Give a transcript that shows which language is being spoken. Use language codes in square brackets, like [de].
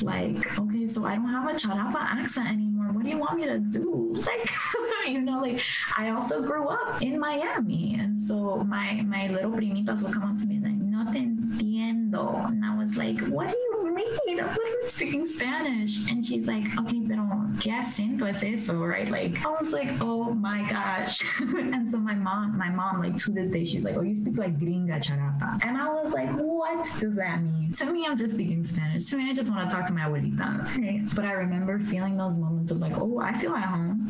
[en] Like, okay, so I don't have a Charapa accent anymore. What do you want me to do? Like, you know, like, I also grew up in Miami. And so my little primitas would come up to me and, like, no te entiendo. And I was like, what do you mean? I'm not even speaking Spanish. [es] And she's like, okay, pero ¿qué acento es eso? [en] Right? Like, I was like, oh my gosh. And so my mom, like, to this day, she's like, oh, you speak like gringa Charapa. And I was like, what does that mean? To me, I'm just speaking Spanish. To me, I just want to talk to my abuelita. Okay. But I remember feeling those moments of, like, oh, I feel at home.